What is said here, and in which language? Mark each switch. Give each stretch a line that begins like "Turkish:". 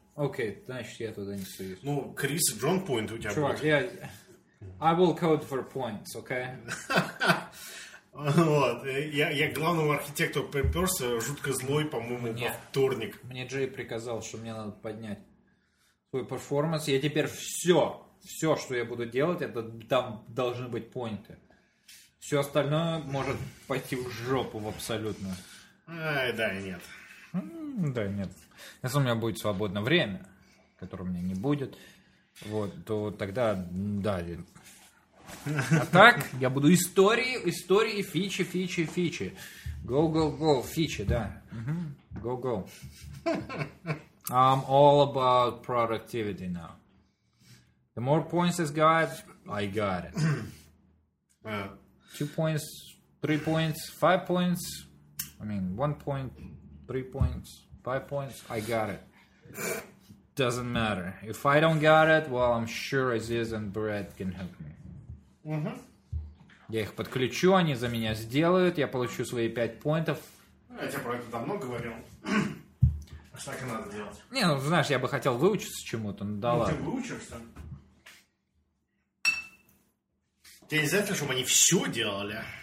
Russian: Окей, значит, я туда не стою. Ну, Крис и Джон поинт у тебя. Чувак, будет. Я...
English: I will code for points, okay?
Russian: Вот. Я главному архитектору приперся, жутко злой, по-моему, во вторник. Мне Джей приказал, что мне надо поднять свой перформанс. Я теперь все, что я буду делать, это там должны быть поинты. Все остальное может пойти в жопу в абсолютную. Ай, да и нет. Да, нет. Если у меня будет свободно время, которое у меня не будет, вот, то тогда да. А так я буду истории, фичи.
English: Go,
Russian: фичи, да. Go.
English: I'm all about productivity now. The more points I got, I got it. 2 points, 3 points, 5 points. I mean, 1 point... 3 points, 5 points, I got it. Doesn't matter. If I don't got it, well, I'm sure Aziz and Brad can help me. Uh-huh.
Russian: Я их подключу, они за меня сделают, я получу свои 5
English: points.
Russian: Я тебе про это давно говорил. Так и надо делать. Не, ну знаешь, я бы хотел выучиться чему-то, ну да ну, ладно. Ты выучишься? Тебе не знаешь, чтобы они все делали?